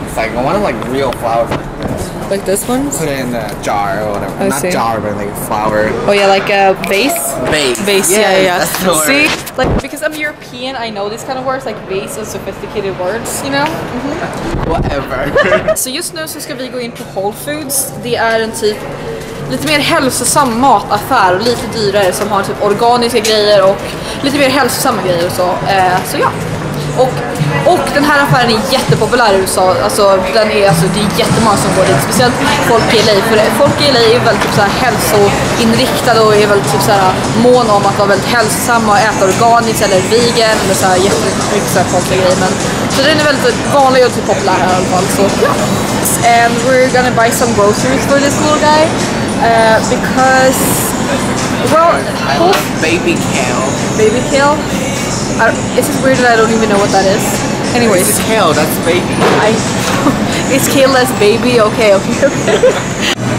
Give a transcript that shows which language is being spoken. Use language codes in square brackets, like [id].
[en] It's like, I want, like, real flowers. Like this one? Put it in a jar or whatever. Not jar, but like flower. Oh yeah, like a vase? Vase. Yeah. That's the word. See? Like, because I'm European, I know these kind of words, like vase and sophisticated words, you know? Mm-hmm. Whatever. [sv] So just nu så ska vi gå in på Whole Foods. Det är en typ lite mer hälsosam mataffär och lite dyrare som har typ organiska grejer och lite mer hälsosamma grejer och så. Så ja. Och den här affären är jättepopulär i USA, alltså, det är jättemånga som går dit, speciellt folk i LA, för folk i LA är väldigt typ så här hälsoinriktade och är väldigt typ så här mån om att vara väldigt hälsosamma och äta organiskt eller vegan eller så här jättemycket såhär folkliga grejer, men så den är väldigt vanlig och typ populär här i alla fall, så ja. [en] And we're gonna buy some groceries for this little guy, because, well, I love baby kale. Baby kale? Is it weird that I don't even know what that is? Anyways. It's kale, that's baby. It's kale, that's baby? Okay.